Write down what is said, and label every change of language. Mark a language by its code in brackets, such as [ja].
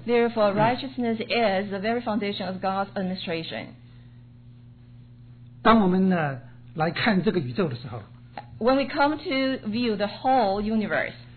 [en] Therefore, righteousness is the very foundation of God's administration. [zh] 当我们呢来看这个宇宙的时候, [en] when we come to view the whole universe,